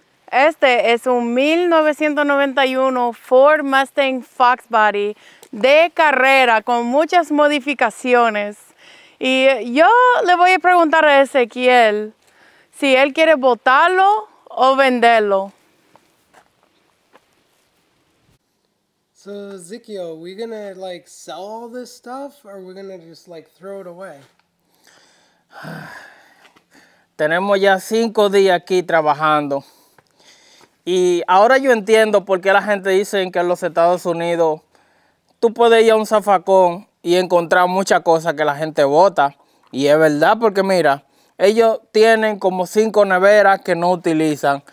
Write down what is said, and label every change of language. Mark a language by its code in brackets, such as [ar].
[es] Este es un 1991 Ford Mustang Fox Body de carrera con muchas modificaciones. Y yo le voy a preguntar a Ezequiel si él quiere botarlo o venderlo. [en] So, Ezequiel, are we gonna like sell all this stuff or are we gonna just like throw it away? [es] Tenemos ya 5 días aquí trabajando. Y ahora yo entiendo por qué la gente dice que en los Estados Unidos tú puedes ir a un zafacón y encontrar muchas cosas que la gente bota. Y es verdad, porque mira, ellos tienen como 5 neveras que no utilizan.